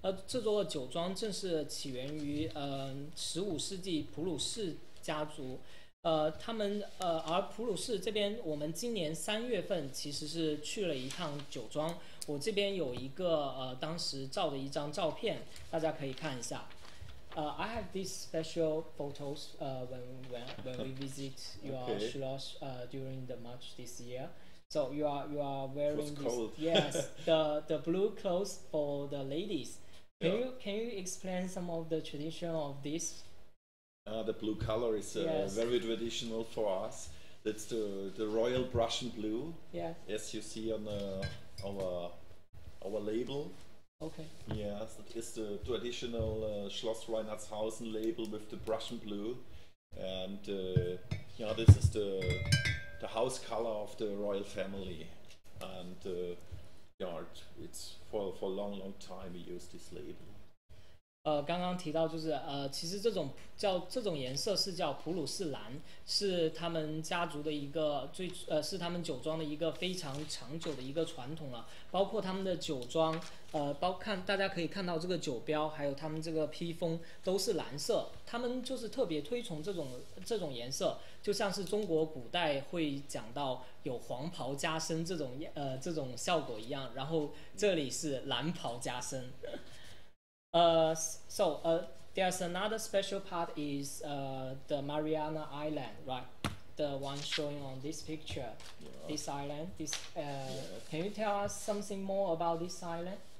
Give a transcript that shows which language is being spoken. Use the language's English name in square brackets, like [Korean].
[Chinese] 这座酒庄正是起源于15世纪普鲁士家族。而普鲁士这边我们今年3月份其实是去了一趟酒庄，我这边有一个当时照的一张照片，大家可以看一下。 [English] I have these special photos when we visit your Schloss during the March this year. So you are wearing this, yes, the blue clothes for the ladies. Can you explain some of the tradition of this? The blue color is very traditional for us. That's the royal Prussian blue. Yes. As you see on our label. Okay. Yes, it is the traditional Schloss Reinhardshausen label with the Prussian blue, and this is the house color of the royal family, and it's for a long, long time we use this label. [Chinese] 刚刚提到就是其实这种颜色是叫普鲁士蓝，是他们家族的一个是他们酒庄的一个非常长久的一个传统了。包括他们的酒庄，大家可以看到这个酒标，还有他们这个披风都是蓝色。他们就是特别推崇这种颜色，就像是中国古代会讲到有黄袍加身这种效果一样。然后这里是蓝袍加身。 [English] There's another special part is the Mariana Island, right? The one showing on this picture, yeah. This island. Yes. Can you tell us something more about this island?